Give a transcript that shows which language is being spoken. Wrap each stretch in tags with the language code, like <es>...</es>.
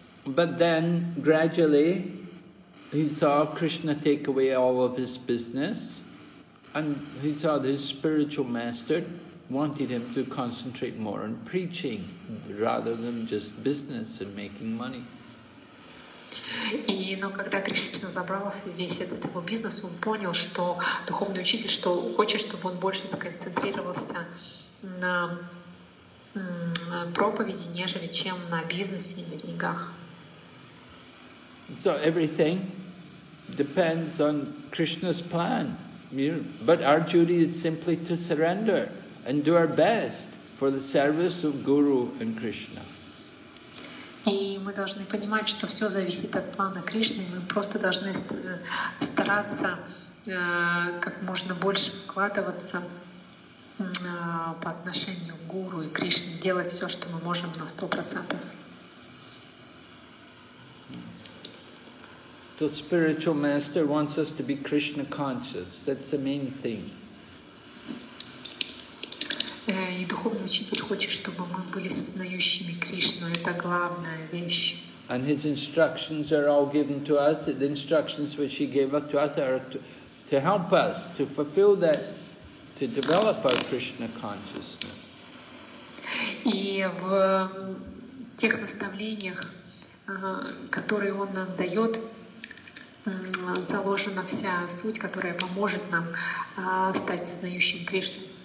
<en>But then gradually he saw Krishna take away all of his business, and he saw his spiritual master wanted him to concentrate more on preaching rather than just business and making money.</en> <ru>И, но когда Кришна забрал весь этот его бизнес, он понял, что духовный учитель, что хочет, чтобы он больше сконцентрировался на проповеди, нежели чем на бизнесе и на деньгах.</ru> <en>So everything depends on Krishna's plan. But our duty is simply to surrender and do our best for the service of Guru and Krishna.</en> <ru>И мы должны понимать, что все зависит от плана Кришны, мы просто должны стараться как можно больше вкладываться по отношению к Гуру и Кришне, делать все, что мы можем на 100%.</ru> <en>The spiritual master wants us to be Krishna conscious. That's the main thing.</en> <ru>И духовный учитель хочет, чтобы мы были сознающими Кришну. Это главная вещь.</ru> <en>And his instructions are all given to us. The instructions which he gave up to us are to help us to fulfill that, to develop our Krishna consciousness.</en> <ru>И в тех наставлениях, которые он нам дает, заложена вся суть, которая поможет нам стать сознающим Кришну.</ru>